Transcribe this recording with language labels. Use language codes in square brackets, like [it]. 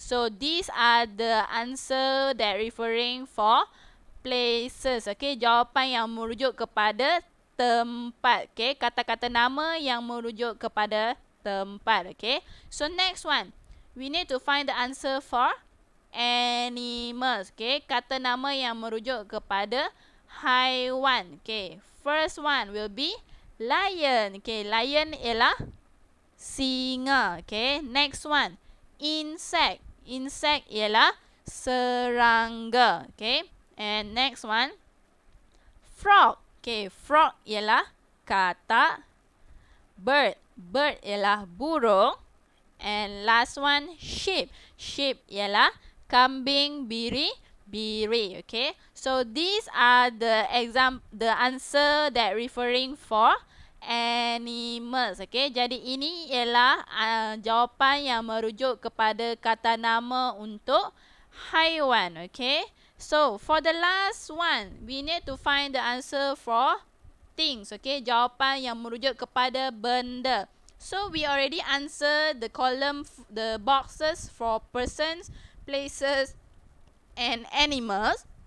[en] So these are the answer that referring for places. [ms] Okay, jawapan yang merujuk kepada tempat. Okay, kata-kata nama yang merujuk kepada tempat. [en] Okay, so next one, we need to find the answer for animals. [ms] Okay, kata nama yang merujuk kepada haiwan. [en] Okay, first one will be lion. Okay, lion [ms] ialah singa. [en] Okay, next one, insect. Insect [ms] ialah serangga. [en] Okay, and next one, frog. Okay, frog [ms] ialah katak. [en] Bird, bird [ms] ialah burung. [en] And last one, sheep. [ms] Sheep ialah kambing biri-biri. [en] Okay, so these are the answer that referring for animals. [ms] Okay, jadi ini ialah jawapan yang merujuk kepada kata nama untuk haiwan. [en] Okay, so for the last one, we need to find the answer for things. Okay, [ms] jawapan yang merujuk kepada benda. [en] So we already answer the column, the boxes for persons, places, and animals.